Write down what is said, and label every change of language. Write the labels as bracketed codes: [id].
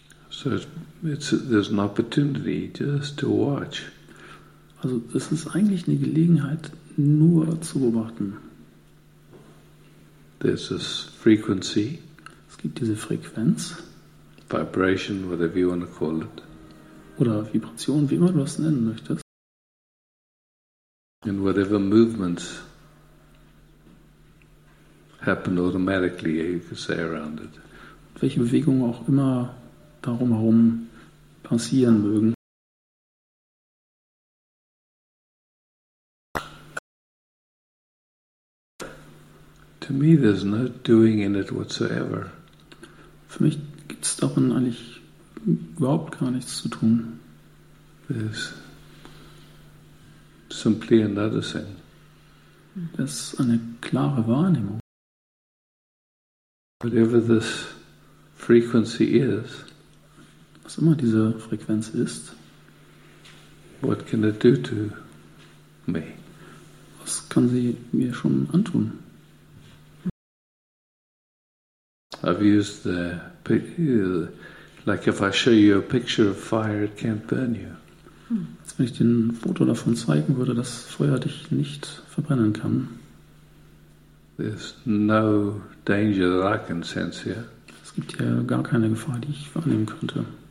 [en] So it's there's an opportunity just to watch. [de] Also es ist eigentlich eine Gelegenheit, nur zu beobachten. [en] There's this frequency. [de] Es gibt diese Frequenz. [en] Vibration, whatever you want to call it. [de] Oder Vibration, wie immer du das nennen möchtest. [en] And whatever movements happen automatically, you could say, around it. [de] Welche Bewegungen auch immer darum herum passieren mögen. [en] To me, there's no doing in it whatsoever. [de] Für mich gibt's darin eigentlich überhaupt gar nichts zu tun. [en] There's simply another thing. [de] Das ist eine klare Wahrnehmung. [en] Whatever this frequency is, [de] was immer diese Frequenz ist, [en] what can it do to me? [de] Was kann sie mir schon antun? [en] I've used the picture, like if I show you a picture of fire, it can't burn you. [de] Als wenn ich dir ein Foto davon zeigen würde, dass Feuer dich nicht verbrennen kann. [en] There's no danger that I can sense here. [de] Es gibt hier gar keine Gefahr, die ich wahrnehmen könnte.